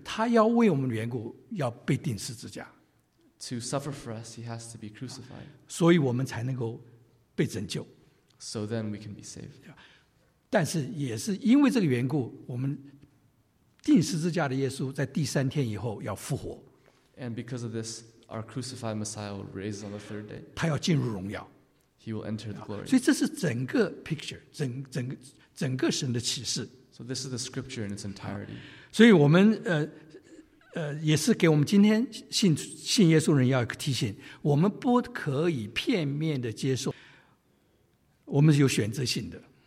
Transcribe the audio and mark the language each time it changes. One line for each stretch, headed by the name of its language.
Chinese: 他要为我们的缘故要被钉十字架。
English: To suffer for us, he has to be crucified.
Chinese: 所以我们才能够被拯救。
English: So then we can be saved.
Chinese: 但是也是因为这个缘故，我们钉十字架的耶稣在第三天以后要复活。
English: And because of this, our crucified Messiah will raise on the third day.
Chinese: 他要进入荣耀。
English: He will enter the glory.
Chinese: 所以这是整个 picture, 整个神的启示。
English: So this is the scripture in its entirety.
Chinese: 所以我们也是给我们今天信耶稣人要一个提醒，我们不可以片面的接受，我们是有选择性的。